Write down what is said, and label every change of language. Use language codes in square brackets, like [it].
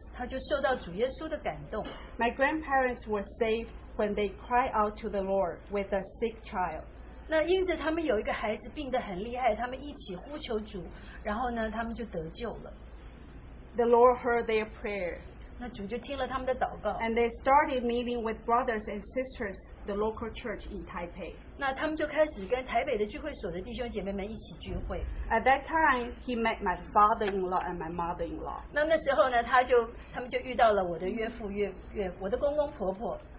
[zh] 他就受到主耶稣的感动。 [en] My grandparents were saved when they cried out to the Lord with a sick child. [zh] 那因着他们有一个孩子病得很厉害, 他们一起呼求主, 然后呢, 他们就得救了。 [en] The Lord heard their prayer. [zh] 那主就听了他们的祷告。 [en] And they started meeting with brothers and sisters, the local church in Taipei. [zh] 那他们就开始跟台北的聚会所的弟兄姐妹们一起聚会。 [en] At that time, he met my father-in-law and my mother-in-law. [zh] 那那时候呢, 他们就遇到了我的岳父岳母,我的公公婆婆。